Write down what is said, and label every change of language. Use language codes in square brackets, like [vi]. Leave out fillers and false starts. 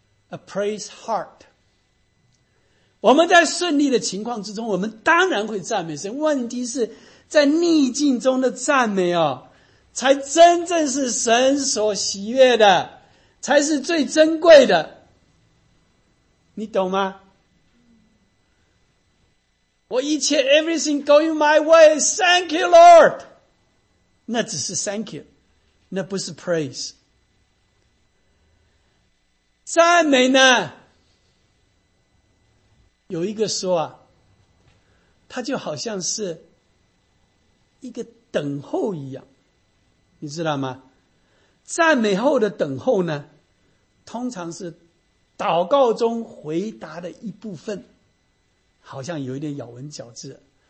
[en] A praise heart， [zh] 我们在顺利的情况之中，我们当然会赞美神，问题是在逆境中的赞美哦，才真正是神所喜悦的，才是最珍贵的，你懂吗？我一切 [en] everything going my way， thank you Lord， [zh] 那只是 [en] thank you， [zh] 那不是 [en] praise。 [zh] 赞美呢，有一个说啊，它就好像是一个等候一样，你知道吗？赞美后的等候呢，通常是祷告中回答的一部分，好像有一点咬文嚼字。